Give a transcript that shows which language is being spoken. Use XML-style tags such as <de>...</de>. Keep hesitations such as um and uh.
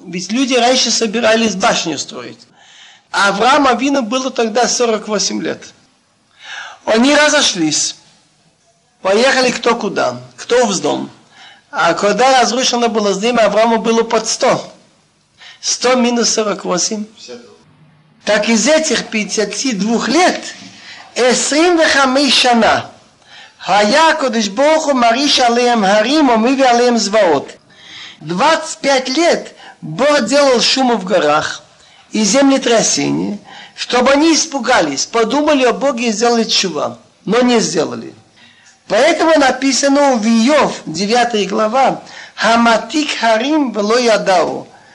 <ru>Ведь люди раньше собирались башню строить. А Авраам Авину было тогда 48 лет. Они разошлись. Поехали кто куда, кто в дом. А когда разрушено было здание, Аврааму было под 100. 100 минус 48. Так из этих 52 лет, 25</ru> <he>שנה, היה הקדוש ברוך הוא מרעיש עליהם הרים ומביא עליהם זוועות.</he> <ru>25 лет Бог делал шуму в горах и землетрясение, чтобы они испугались, подумали о Боге и сделали чува, но не сделали. Поэтому написано в Иов, 9 глава,</ru> <he>«Хаматик харим вело ядау».</he>